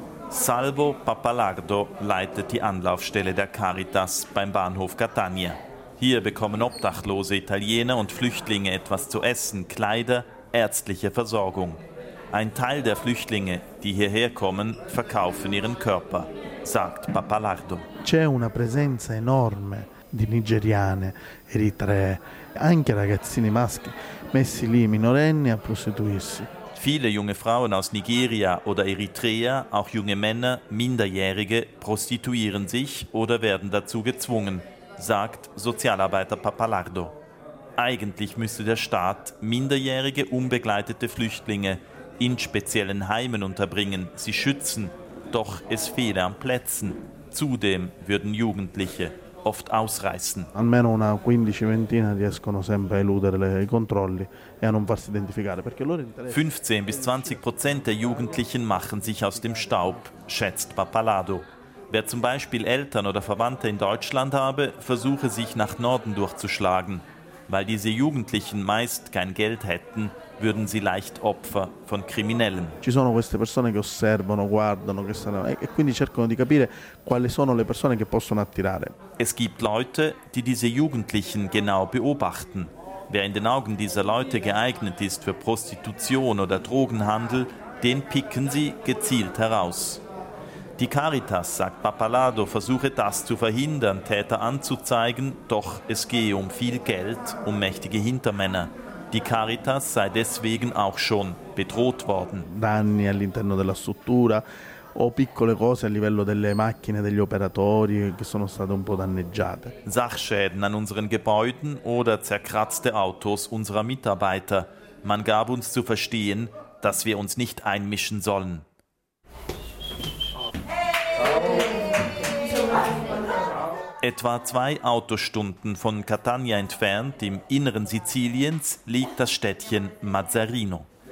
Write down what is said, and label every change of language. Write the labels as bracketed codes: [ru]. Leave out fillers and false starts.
[de] Salvo Pappalardo leitet die Anlaufstelle der Caritas beim Bahnhof Catania. Hier bekommen obdachlose Italiener und Flüchtlinge etwas zu essen, Kleider, ärztliche Versorgung. Ein Teil der Flüchtlinge, die hierher kommen, verkaufen ihren Körper, sagt Pappalardo. [it] C'è una presenza enorme di nigeriane, eritree, anche ragazzini maschi, messi lì minorenni a prostituirsi. [de] Viele junge Frauen aus Nigeria oder Eritrea, auch junge Männer, Minderjährige, prostituieren sich oder werden dazu gezwungen, sagt Sozialarbeiter Pappalardo. Eigentlich müsste der Staat minderjährige, unbegleitete Flüchtlinge in speziellen Heimen unterbringen, sie schützen. Doch es fehle an Plätzen. Zudem würden Jugendliche oft ausreißen. [it] Almeno una 15-20 riescono sempre a eludere le controlli e a non farsi identificare, perché loro interessano. [de] 15-20% der Jugendlichen machen sich aus dem Staub, schätzt Pappalardo. Wer zum Beispiel Eltern oder Verwandte in Deutschland habe, versuche sich nach Norden durchzuschlagen. Weil diese Jugendlichen meist kein Geld hätten, würden sie leicht Opfer von Kriminellen. [it] Ci sono queste persone che osservano, guardano, che sono, e quindi cercano di capire quali sono le persone che possono attirare. [de] Es gibt Leute, die diese Jugendlichen genau beobachten. Wer in den Augen dieser Leute geeignet ist für Prostitution oder Drogenhandel, den picken sie gezielt heraus. Die Caritas, sagt Pappalardo, versuche das zu verhindern, Täter anzuzeigen, doch es gehe um viel Geld, um mächtige Hintermänner. Die Caritas sei deswegen auch schon bedroht worden. [it] Danni all'interno della struttura o piccole cose a livello delle macchine degli operatori che sono state un po' danneggiate. [de] Sachschäden an unseren Gebäuden oder zerkratzte Autos unserer Mitarbeiter. Man gab uns zu verstehen, dass wir uns nicht einmischen sollen. Etwa 2 Autostunden von Catania entfernt, im Inneren Siziliens, liegt das Städtchen Mazzarino.